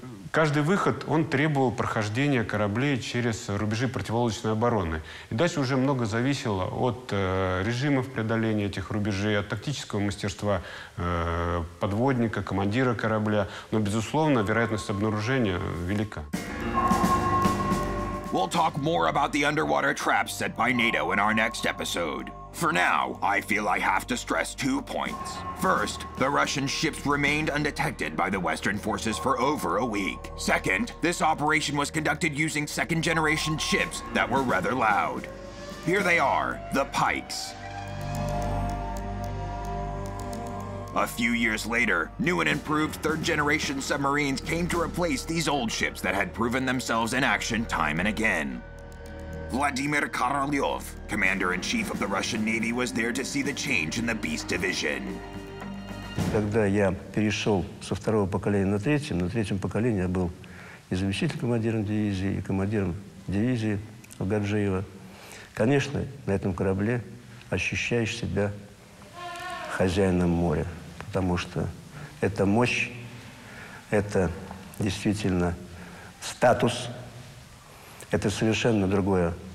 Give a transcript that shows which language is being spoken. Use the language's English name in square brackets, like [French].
[Russian] Каждый выход, он требовал прохождения кораблей через рубежи противолодочной обороны. И дальше уже много зависело от режимов преодоления этих рубежей, от тактического мастерства подводника, командира корабля. Но, безусловно, вероятность обнаружения велика. [English] We'll talk more about the underwater traps set by NATO in our next episode. For now, I feel I have to stress 2 points. First, the Russian ships remained undetected by the Western forces for over a week. Second, this operation was conducted using second-generation ships that were rather loud. Here they are, the Pikes. A few years later, new and improved third-generation submarines came to replace these old ships that had proven themselves in action time and again. Vladimir Korolev, commander-in-chief of the Russian Navy, was there to see the change in the Beast Division. [Russian] Когда я перешел со второго поколения на третьем поколении я был и заместитель командиром дивизии, и командиром дивизии в Гаджиево. Конечно, на этом корабле ощущаешь себя хозяином моря, потому что это мощь, это действительно статус, это совершенно другое.